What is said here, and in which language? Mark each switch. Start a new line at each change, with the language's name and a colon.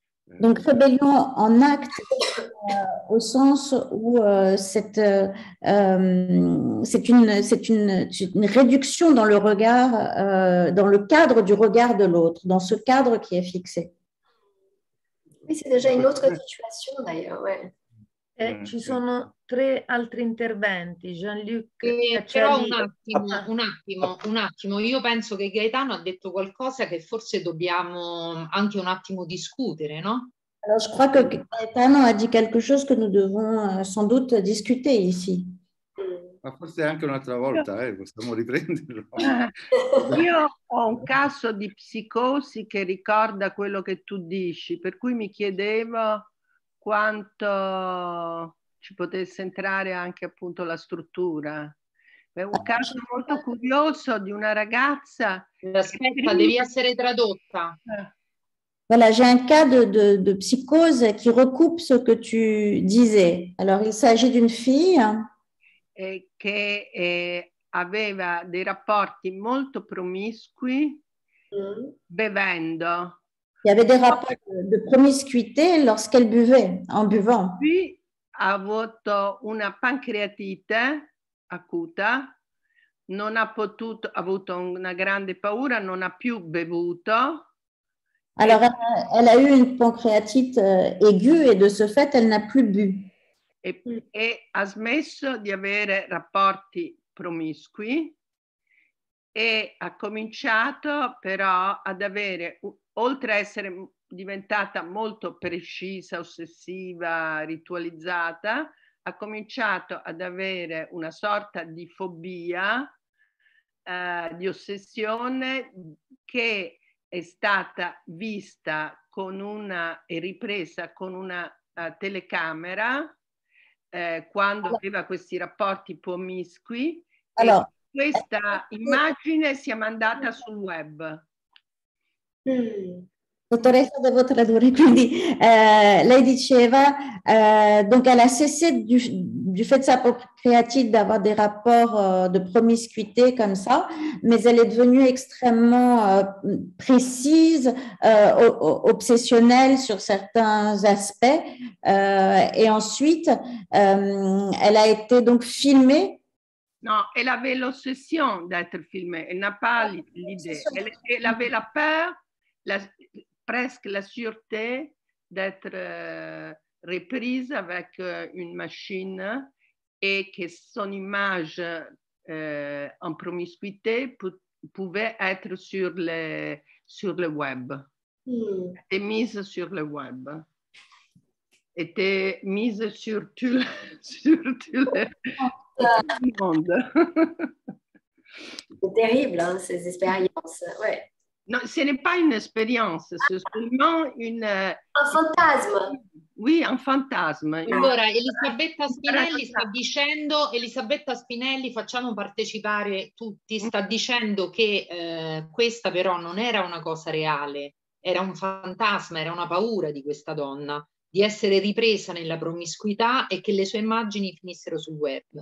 French: Donc rébellion en acte au sens où c'est une réduction dans le regard dans le cadre du regard de l'autre, dans ce cadre qui est fixé. Oui, c'est déjà une autre situation d'ailleurs,
Italian: ouais. Ci sono tre altri interventi. Jean-Luc, però un attimo, io penso che Gaetano ha detto qualcosa che forse dobbiamo anche un attimo discutere, no?
French: Alors, je crois que Gaetano a dit quelque chose que nous devons sans doute discuter ici.
Italian: Ma forse anche un'altra volta, possiamo riprenderlo. Io ho un caso di psicosi che ricorda quello che tu dici, per cui mi chiedevo quanto ci potesse entrare anche appunto la struttura. È un caso molto curioso di una ragazza... Aspetta, prima... devi essere tradotta.
French: Voilà, j'ai un cas de psychose qui recoupe ce que tu disais. Alors, il s'agit d'une fille
Italian: qui aveva
French: des rapports
Italian: molto promiscui bevendo.
French: Il y avait des rapports de promiscuité lorsqu'elle buvait, en buvant.
Italian: Puis, ha avuto una pancreatite acuta, non ha potuto, ha avuto una grande paura, non ha più bevuto.
French: Alors, elle a eu une pancréatite aiguë et de ce fait, elle n'a plus bu.
Italian: Et a smesso di avere rapporti promiscui e ha cominciato però ad avere, oltre a essere diventata molto precisa, ossessiva, ritualizzata, ha cominciato ad avere una sorta di fobia, di ossessione che è stata vista con una e ripresa con una telecamera quando aveva questi rapporti promiscui. Allora, e questa immagine si è mandata sul web. Dottoressa, devo tradurre, quindi lei diceva
French: donc elle a cessé du fait de sa pancréatite d'avoir des rapports de promiscuité comme ça, mais elle est devenue extrêmement précise, obsessionnelle sur certains aspects. Et ensuite, elle a été donc filmée. Non, elle avait l'obsession d'être filmée. Elle n'a pas l'idée. Elle avait la peur, presque la sûreté d'être reprise avec une machine et que son image en promiscuité pouvait être sur le web. Mm. Et mise sur le web. Était mise sur tout le monde. C'est terrible, hein, ces expériences. Ouais. Non, ce n'est pas une expérience, c'est seulement une... Un fantasme. Oui, un fantasme.
Italian: Allora, Elisabetta Spinelli sta dicendo, facciamo partecipare tutti, sta dicendo che questa però non era una cosa reale, era un fantasma, era una paura di questa donna di essere ripresa nella promiscuità e che le sue immagini finissero sul web.